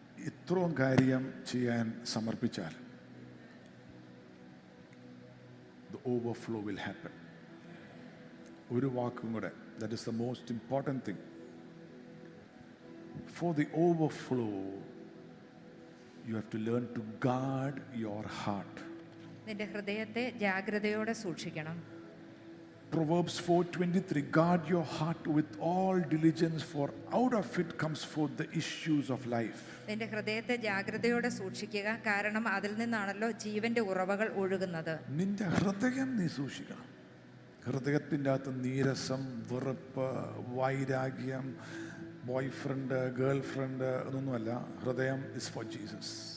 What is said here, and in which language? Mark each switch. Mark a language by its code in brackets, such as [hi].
[ml] ഇത്രയും കാര്യം ചെയ്യാൻ സമർപ്പിച്ചാൽ [en] The overflow will happen. [ml] ഒരു വാക്കും കൂടെ, [en] That is the most important thing. For the overflow you have to learn to guard your heart. [ml] നിന്റെ ഹൃദയത്തെ ജാഗ്രതയോടെ സൂക്ഷിക്കണം. [en] Proverbs 4:23, guard your heart with all diligence, for out of it comes forth the issues of life. [ml] നിന്റെ ഹൃദയത്തെ ജാഗ്രതയോടെ സൂക്ഷിക്കുക, കാരണം അതിൽ നിന്നാണല്ലോ ജീവന്റെ ഉറവകൾ ഒഴുകുന്നത്. നിന്റെ ഹൃദയം നീ സൂക്ഷിക്കണം. ഹൃദയത്തിന്റെ അകത്ത് നീരസം, വെറുപ്പ്, വൈരാഗ്യം, ബോയ്ഫ്രണ്ട്, ഗേൾഫ്രണ്ട് എന്നൊന്നുമല്ല. [en] ഹൃദയം is for Jesus.